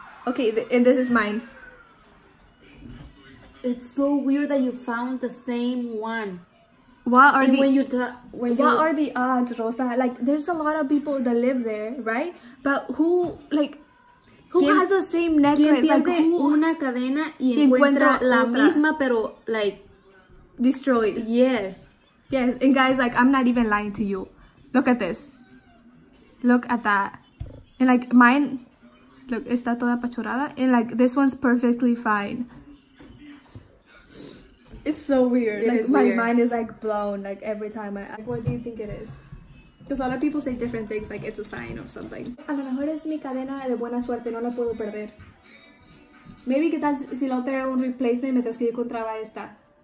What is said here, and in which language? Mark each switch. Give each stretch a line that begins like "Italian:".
English: Okay, and this is mine. It's so weird that you found the same one. What are the odds, Rosa? Like, there's a lot of people that live there, right? But who, like, who has the same necklace?
Spanish: ¿Quién pierde una cadena y encuentra la misma, pero, like,
English: destroyed? Yes. Yes, and guys, like, I'm not even lying to you. Look at this. Look at that. And, like, mine, look, está toda apachurrada. And, like, this one's perfectly fine. It's so weird. My mind is like blown like every time I like, what do you think it is? Because a lot of people say different things, like it's a sign of something.
Spanish: A lo mejor es mi cadena de buena suerte, no la puedo perder. Maybe que tal si la otra era un replacement mientras que yo encontraba esta.